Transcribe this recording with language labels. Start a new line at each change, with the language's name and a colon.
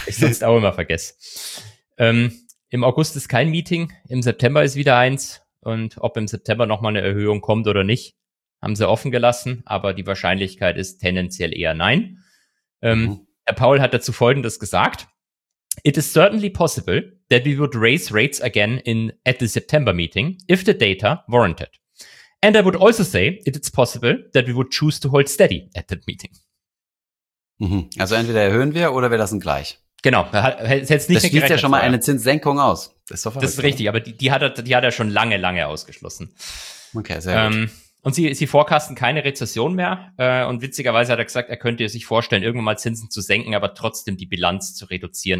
German: Ich sonst auch immer vergesse. Im August ist kein Meeting, im September ist wieder eins. Und ob im September nochmal eine Erhöhung kommt oder nicht, haben sie offen gelassen. Aber die Wahrscheinlichkeit ist tendenziell eher nein. Herr Powell hat dazu Folgendes gesagt.
English: It is certainly possible that we would raise rates again at the September meeting, if the data warranted. And I would also say it is possible that we would choose to hold steady at that meeting.
German: Also entweder erhöhen wir oder wir lassen gleich. Genau. Das schließt ja schon mal eine Zinssenkung aus. Das ist richtig, aber die hat er schon lange, lange ausgeschlossen. Okay, sehr gut. Und sie forecasten keine Rezession mehr. Und witzigerweise hat er gesagt, er könnte sich vorstellen, irgendwann mal Zinsen zu senken, aber trotzdem die Bilanz zu reduzieren.